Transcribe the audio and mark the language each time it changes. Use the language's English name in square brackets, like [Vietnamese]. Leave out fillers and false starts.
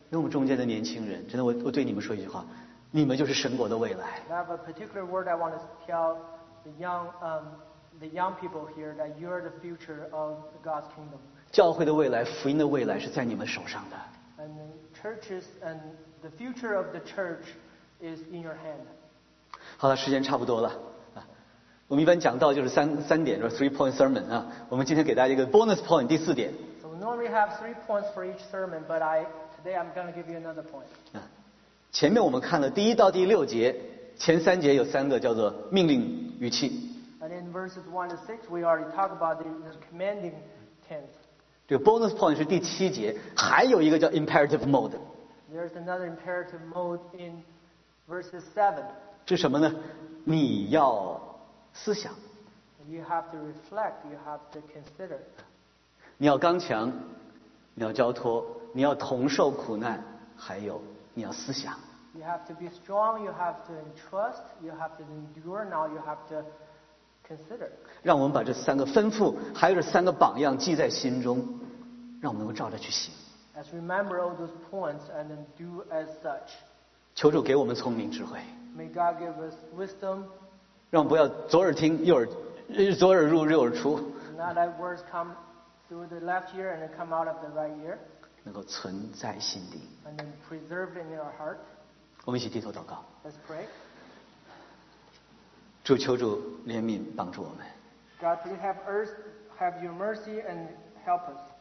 [Chinese] 那我们中间的年轻人，真的，我对你们说一句话。你们就是神国的未来。 [English] I have a particular word I want to tell the young people here that you are the future of God's kingdom. [Chinese] 教会的未来，福音的未来是在你们手上的。 [English] And churches and the future of the church is in your hand. [Chinese] 好了，时间差不多了。我们一般讲到就是三点，就是 [English] 3-point sermon [Chinese] 啊。我们今天给大家一个 [English] bonus point， [Chinese] 第四点。 [English] So we normally have 3 points for each sermon, but today I'm going to give you another point. [Chinese] 前面我们看了第一到第六节，前三节有三个叫做命令语气。 [English] And in verses 1 to 6, we already talk about the commanding tense. [Chinese] 这个 [English] bonus point [Chinese] 是第七节，还有一个叫 [English] imperative mode. There's another imperative mode in verses 7. [Chinese] 是什么呢？你要思想。 [English] You have to reflect. You have to consider. [Chinese] 你要刚强，你要交托，你要同受苦难，还有。你要思想。 [English] You have to be strong. You have to trust. You have to endure. Now you have to consider. [Chinese] 让我们把这三个吩咐，还有这三个榜样记在心中，让我们能够照着去行。 [English] As remember all those points and then do as such. [Chinese] 求主给我们聪明智慧。 [English] May God give us wisdom. [Chinese] 让我们不要左耳听右耳，左耳入右耳出。 [English] Not that words come through the left ear and then come out of the right ear. [Chinese] 能够存在心底。 [English] And then preserve in your heart. [Chinese] 我们一起低头祷告。 [English] Let's pray. [Chinese] 主求主怜悯帮助我们。 [English] God, please have your mercy and help us.